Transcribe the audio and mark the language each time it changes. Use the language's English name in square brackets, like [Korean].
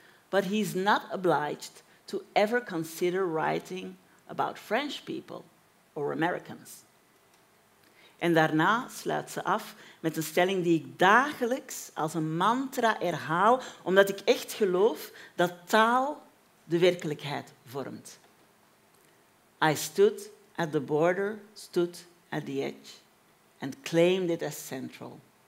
[English] But he's not obliged to ever consider writing about French people or Americans. [Dutch] En daarna sluit ze af met een stelling die ik dagelijks als een mantra herhaal, omdat ik echt geloof dat taal de werkelijkheid vormt. [English] I stood at the border, stood at the edge, and claimed it as central.